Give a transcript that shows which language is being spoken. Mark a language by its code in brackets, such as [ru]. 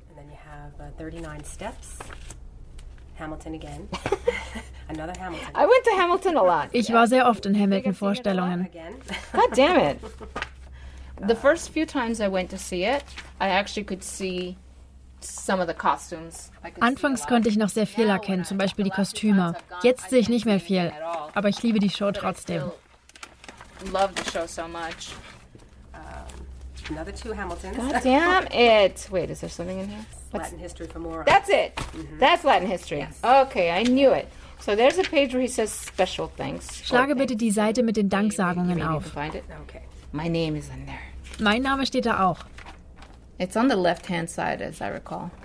[en] And then you have 39 steps. Hamilton again. Another Hamilton. I went to Hamilton a lot. [de] Ich war sehr oft in Hamilton-Vorstellungen. [en] God damn it. The first few times I went to see it, I actually could see some of the costumes. [de] Anfangs konnte ich noch sehr viel erkennen, zum Beispiel die Kostüme. Jetzt sehe ich nicht mehr viel, aber ich liebe die Show trotzdem. [en] Love the show so much. Another two Hamiltons. God damn it. Wait, is there something in here? What's Latin history for more. That's it. Mm-hmm. That's Latin history. Yes. Okay, I knew it. So there's a page where he says special thanks. [de] Schlage bitte die Seite mit den Danksagungen auf. [en] Find it? Okay. My name is in there. [de] Mein Name steht da auch. [en] It's on the left-hand side, as I recall.